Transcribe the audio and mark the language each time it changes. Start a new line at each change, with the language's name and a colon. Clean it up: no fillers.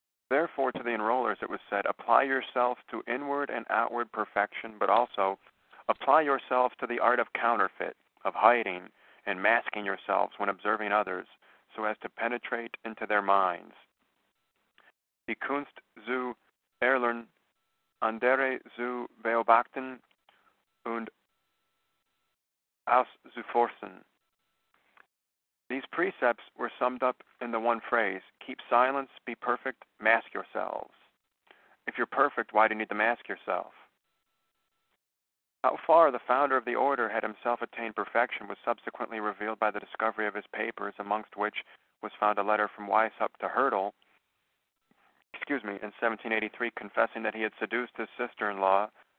English: Therefore, to the enrollers, it was said, apply yourself to inward and outward perfection, but also apply yourself to the art of counterfeit, of hiding and masking yourselves when observing others, so as to penetrate into their minds.
German: Die Kunst zu erlernen, andere zu beobachten und auszuforschen.
English: These precepts were summed up in the one phrase, keep silence, be perfect, mask yourselves. If you're perfect, why do you need to mask yourself? How far the founder of the order had himself attained perfection was subsequently revealed by the discovery of his papers, amongst which was found a letter from Weishaupt to Hertel, in 1783, confessing that he had seduced his sister-in-law